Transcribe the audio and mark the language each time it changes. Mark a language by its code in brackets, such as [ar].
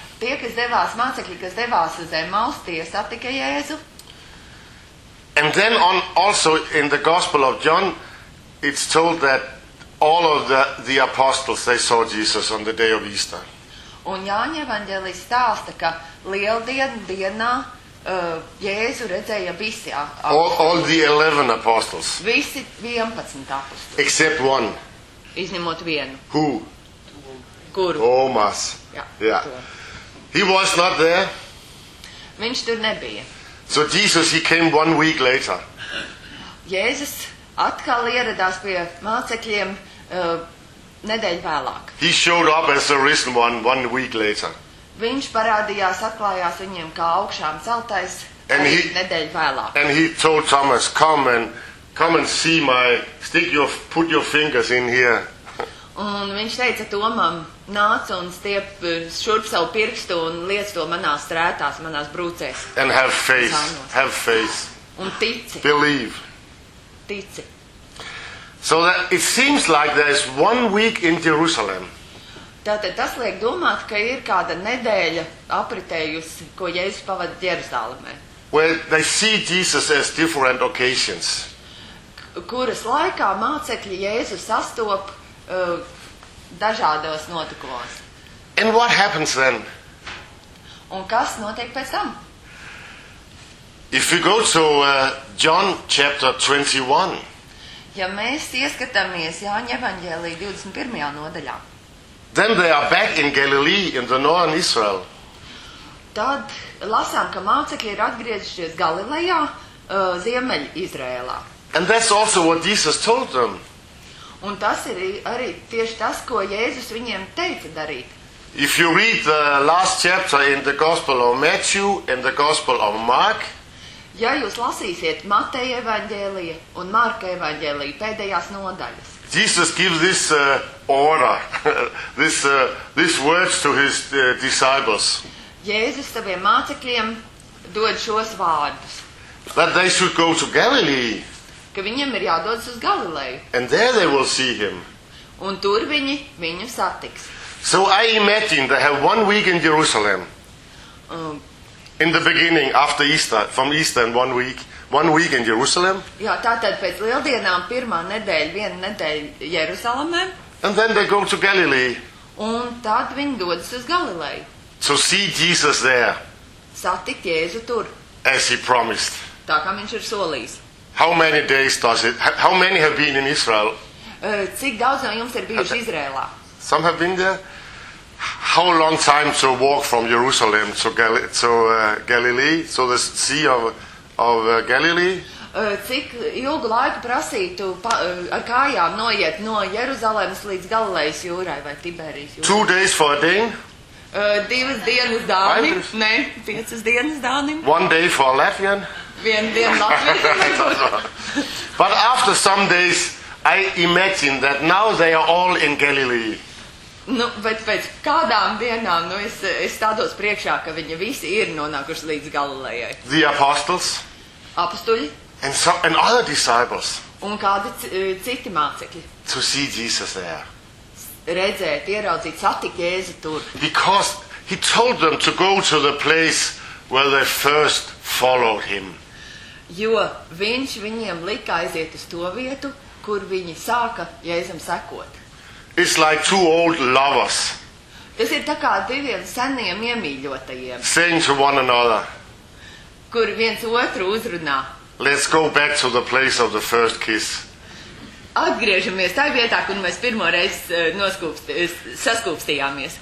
[lv] Tie, kas devās mācekļi, kas devās uz Emmaus, tie satika Jēzu. [en] And then on also in the Gospel of John, it's told that all of the apostles, they saw Jesus on the day of Easter. [lv] Un Jāņa evaņģēlijs stāsta, ka lieldienu dienā Jēzu redzēja visi [en] apostoli. All the 11 apostles. [lv] Visi 11 apostoli. [en] Except one. [lv] Izņemot vienu. [en] Who? [lv] Kuru? [en] Thomas. Jā. Yeah. He was not there. [lv] Viņš tur nebija. [en] So Jesus, he came one week later. [lv] Jēzus atkal ieradās pie mācekļiem nedēļ vēlāk. [en] He showed up as a risen one week later. [lv] Viņš parādījās, atklājās viņiem kā augšām celtais nedēļ vēlāk. [en] And he told Thomas, come and see my, put your fingers in here. [lv] Un viņš teica Tomam, nāc un stiep šurp savu pirkstu un liec to manās strētās, manās brūcēs. [en] And have faith. [lv] Un tici. [en] Believe. [lv] Tici. [en] So that it seems like there's one week in Jerusalem. [lv] Tātad tas liek domāt, ka ir kāda nedēļa apritējusi, ko Jēzus pavada Jeruzalemē. [en] Where they see Jesus as different occasions. [lv] Kuras laikā mācekļi Jēzus sastop dažādos notikumos. [en] And what happens then? [lv] Un kas notiek pēc tam? [en] If we go to John chapter 21. [lv] Ja mēs ieskatāmies Jāņa evaņģēlija 21. Nodaļā. [en] Then they are back in Galilee in the northern Israel. [lv] Tad lasām, ka mācekļi ir atgriežušies Galilejā, ziemeļa Izrēlā. [en] And that's also what Jesus told them. [lv] Un tas ir arī tieši tas, ko Jēzus viņiem teica darīt. [en] If you read the last chapter in the Gospel of Matthew and the Gospel of Mark, [lv] ja jūs lasīsiet Mateja evaņģēlija un Marka evaņģēlija pēdējās nodaļas, [en] Jesus gives this order, this words to his disciples. [lv] Jēzus saviem mācekļiem dod šos vārdus. [en] That they should go to Galilee. [lv] Ka viņiem ir jādodas uz Galileju. [en] And there they will see him. [lv] Un tur viņi viņu satiks. [en] So I imagine they have one week in Jerusalem. In the beginning, after Easter, from Easter and one week. One week in Jerusalem. [lv] Jā, tātad pēc lieldienām pirmā nedēļa, viena nedēļa Jeruzalemē. [en] And then they go to Galilee. [lv] Un tad viņi dodas uz Galileju. [en] To see Jesus there. [lv] Satikt Jēzu tur. [en] As he promised. [lv] Tā kā viņš ir solījis. [en] How many days does it, how many have been in Israel? [lv] Cik daudz no jums ir bijuši Izrēlā? [en] Some have been there. How long time to walk from Jerusalem to Galilee, so the Sea of Galilee. [lv] Cik ilgu laiku prasītu ar kājām noiet no Jeruzalemes līdz Galilejas jūrai vai Tiberijas jūrai? [en] 2 days for a day. [lv] Divas dienas Dānim. Nē, piecas dienas Dānim. [en] One day for Latvian. [lv] Vien dienu Latvijai. [en] But after some days, I imagine that now they are all in Galilee. [lv] Nu, bet pēc kādām dienām, nu, es stādos priekšā, ka viņi visi ir nonākuši līdz Galilejai. [en] The apostles. [lv] Apostuļi. [en] And some, and other disciples. [lv] Un kādi citi mācekļi. [en] To see Jesus there. [lv] Redzēt, ieraudzīt, satikt Jēzu tur. [en] Because he told them to go to the place where they first followed him. [lv] Jo viņš viņiem lika aiziet uz to vietu, kur viņi sāka Jēzum sekot. [en] It's like two old lovers. [lv] Tas ir tā kā diviem seniem iemīļotajiem. [en] Saying to one another. [lv] Kur viens otru uzrunā. [en] Let's go back to the place of the first kiss. [lv] Atgriežamies tajā vietā, kur mēs pirmo reizi saskūpstījāmies.